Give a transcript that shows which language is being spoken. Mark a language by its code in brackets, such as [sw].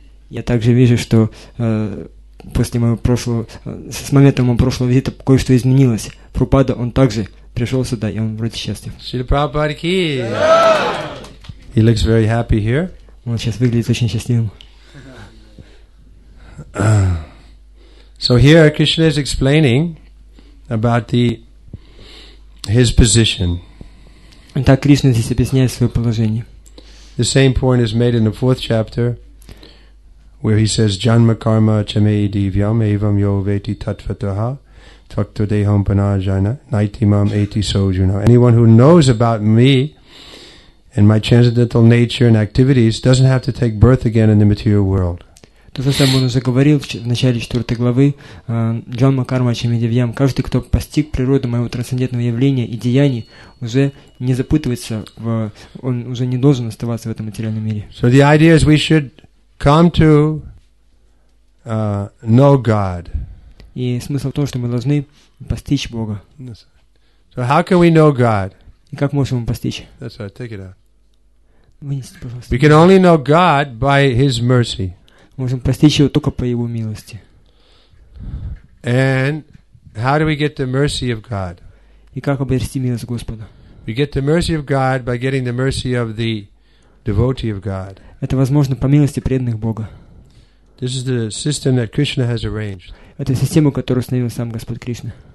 [ru] Я также вижу, что после моего прошлого, с момента моего прошлого визита кое-что изменилось. Прабхупада, он также пришел сюда, и он вроде счастлив. [en] Shri Prabhupada ki. He looks very happy here. [ru] Он сейчас выглядит очень счастливым. [en] So here Krishna is explaining about his position. [ru] Итак, Кришна здесь объясняет свое положение. [en] The same point is made in the fourth chapter, where he says, [sa] "Janma karma chameidi vyam evam yo veti tatvataha takto deham panajana naitimam eti sojuna." [en] Anyone who knows about me and my transcendental nature and activities doesn't have to take birth again in the material world. [ru] То же самое он уже говорил в начале 4 главы. [sa] Джама карма чамидивьям. [ru] Каждый, кто постиг природу моего трансцендентного явления и деяний, уже не запытывается, он уже не должен оставаться в этом материальном мире. [en] So the idea is we should come to know God. [ru] И смысл в том, что мы должны постичь Бога. [en] Yes. So how can we know God? [ru] И как можем мы постичь? [en] That's right, take it out. [ru] Вынести, пожалуйста. [en] We can only know God by His mercy. [ru] Мы можем постичь его только по его милости. [en] And how do we get the mercy of God? [ru] И как обрести милость Господа? [en] We get the mercy of God by getting the mercy of the devotee of God. [ru] Это возможно по милости преданных Бога. [en] This is the system that Krishna has arranged. [ru] Это система, которую установил сам Господь Кришна.